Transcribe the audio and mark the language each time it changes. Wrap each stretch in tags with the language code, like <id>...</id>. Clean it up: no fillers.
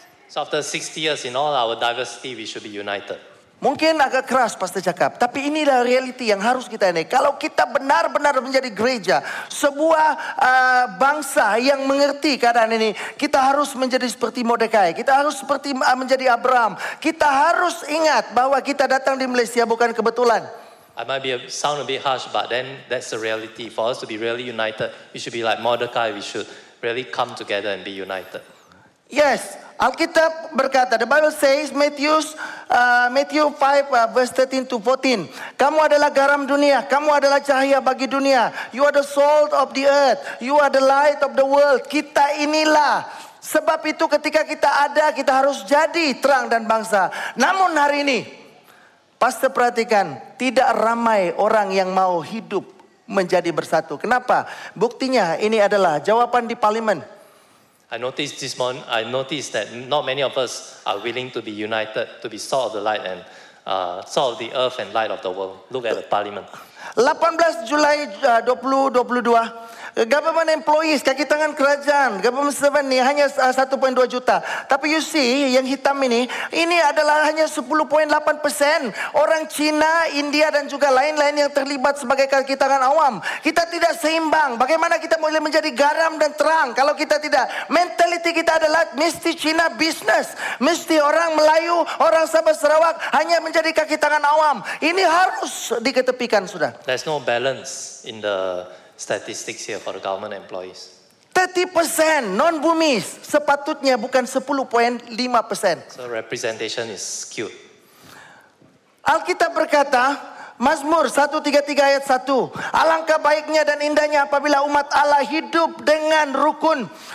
<en>So after 60 years in all our diversity we should be united.</en> <ms>Mungkin agak keras pasti cakap, tapi inilah reality yang harus kita ini. Kalau kita benar-benar menjadi gereja, sebuah bangsa yang mengerti keadaan ini, kita harus menjadi seperti Mordekai, kita harus seperti menjadi Abraham. Kita harus ingat bahwa kita datang di Malaysia bukan kebetulan.</ms> <en>I might be a, sound a bit harsh, but then that's the reality. For us to be really united, we should be like Mordecai. We should really come together and be united. Yes.</en> <ms>Alkitab berkata,</ms> <en>the Bible says Matthew 5 verse 13 to 14.</en> <ms>Kamu adalah garam dunia, kamu adalah cahaya bagi dunia.</ms> <en>You are the salt of the earth, you are the light of the world.</en> <ms>Kita inilah. Sebab itu ketika kita ada, kita harus jadi terang dan bangsa. Namun hari ini, pastor perhatikan, tidak ramai orang yang mau hidup menjadi bersatu. Kenapa? Buktinya ini adalah jawaban di parlimen.</ms> <en>I noticed that not many of us are willing to be united, to be salt of the light and salt of the earth and light of the world. Look at the parliament.</en> <ms>18 Julai 2022,</ms> <en>government employees,</en> <ms>kaki tangan kerajaan,</ms> <en>government servant</en> <ms>ni hanya 1.2 juta. Tapi</ms> <en>you see,</en> <ms>yang hitam ini adalah hanya 10.8% orang Cina, India dan juga lain-lain yang terlibat sebagai kaki tangan awam. Kita tidak seimbang. Bagaimana kita boleh menjadi garam dan terang kalau kita tidak? Mentality kita adalah mesti Cina business, mesti orang Melayu, orang Sabah Sarawak hanya menjadi kaki tangan awam. Ini harus diketepikan sudah.</ms> <en>There's no balance in the statistics here for government employees.</en> <ms>30% non-bumis, sepatutnya bukan 10.5%.</ms> <en>So representation is skewed.</en> <ms>Alkitab berkata, Mazmur 133 ayat 1, alangkah baiknya dan indahnya apabila umat Allah hidup dengan rukun.</ms>